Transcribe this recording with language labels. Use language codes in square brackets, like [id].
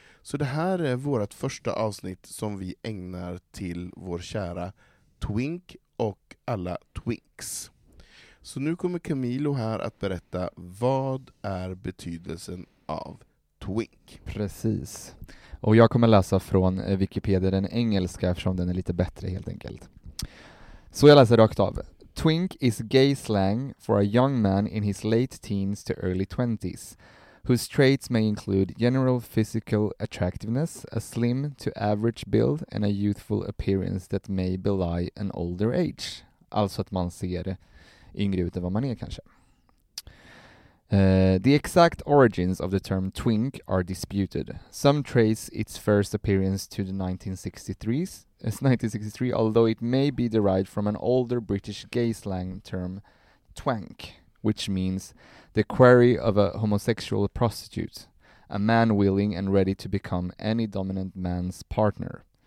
[sv] Så det här är vårt första avsnitt som vi ägnar till vår kära Twink och alla Twinks. Så nu kommer Camilo här att berätta vad är betydelsen av Twink. Precis. Och jag kommer läsa från Wikipedia, den engelska, eftersom den är lite bättre helt enkelt. Så jag läser rakt av. [en] Twink is gay slang for a young man in his late teens to early 20s, whose traits may include general physical attractiveness, a slim to average build, and a youthful appearance that may belie an older age. [sv] Alltså att man ser yngre ut än vad man är kanske. [en] The exact origins of the term twink are disputed. Some trace its first appearance to the 1963, although it may be derived from an older British gay slang term twank, which means the query of a homosexual prostitute, a man willing and ready to become any dominant man's partner.